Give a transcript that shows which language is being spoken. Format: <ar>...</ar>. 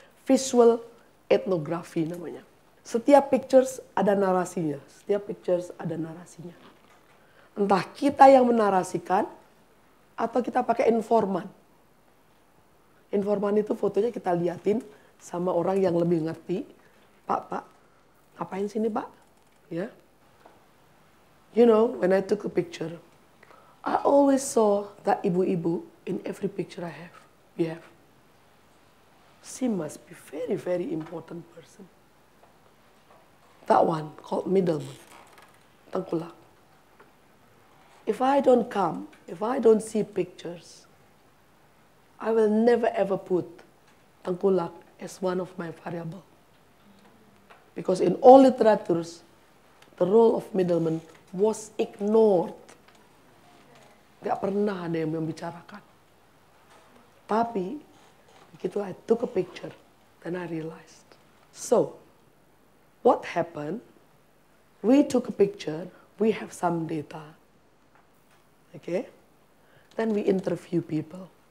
<id>Visual ethnography namanya. Setiap pictures ada narasinya. Setiap pictures ada narasinya. Entah kita yang menarasikan atau kita pakai informan. Informan itu fotonya kita liatin sama orang yang lebih ngerti. Pak, ngapain sini pak? Ya.</id> <en>You know, when I took a picture, I always saw that ibu-ibu in every picture I have. She must be very, very important person. That one called middleman, tengkulak. If I don't come, if I don't see pictures, I will never ever put tengkulak as one of my variable. Because in all literatures, the role of middleman was ignored.</en> <id>Gak pernah ada yang membicarakan. Tapi, begitu</id> <en>I took a picture, then I realized. So, what happened? We took a picture, we have some data. Okay? Then we interview people.</en>